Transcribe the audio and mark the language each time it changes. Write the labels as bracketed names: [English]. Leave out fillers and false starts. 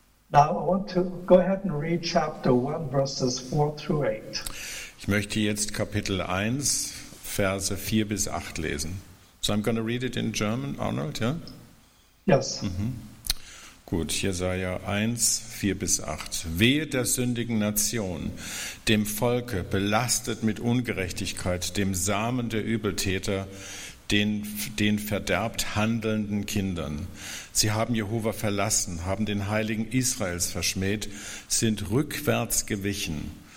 [English] Now I want to go ahead and read chapter 1, verses 4 through 8. [German] Ich möchte jetzt Kapitel 1, Verse 4 bis 8 lesen. [English] So I'm going to read it in German, Arnold, yeah? Yes. Mm-hmm. [German] Gut, Jesaja 1, 4 bis 8. Wehe der sündigen Nation, dem Volke, belastet mit Ungerechtigkeit, dem Samen der Übeltäter, den verderbt handelnden Kindern. Sie haben Jehova verlassen, haben den Heiligen Israels verschmäht, sind rückwärts gewichen.